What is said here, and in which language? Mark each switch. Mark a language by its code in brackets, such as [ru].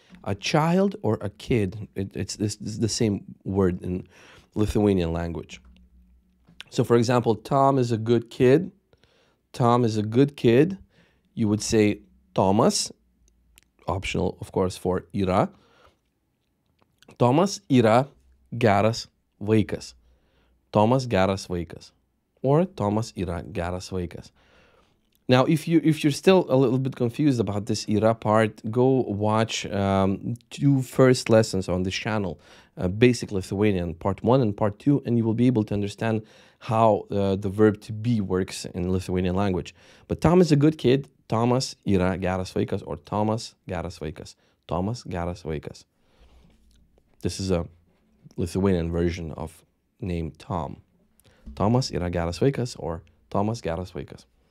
[en] A child or a kid, it's the same word in Lithuanian language. So, for example, Tom is a good kid, you would say Tomas, optional, of course, for yra. [lt] Tomas yra geras vaikas. Tomas geras vaikas, or Tomas yra geras vaikas. [en] Now, if you're still a little bit confused about this yra part, go watch two first lessons on this channel, Basic Lithuanian, part one and part two, and you will be able to understand how the verb to be works in Lithuanian language. But Tom is a good kid, [lt] Tomas yra geras vaikas, or Tomas geras vaikas. Tomas geras vaikas. [en] This is a Lithuanian version of name Tom. [lt] Tomas yra geras vaikas, or Tomas geras vaikas.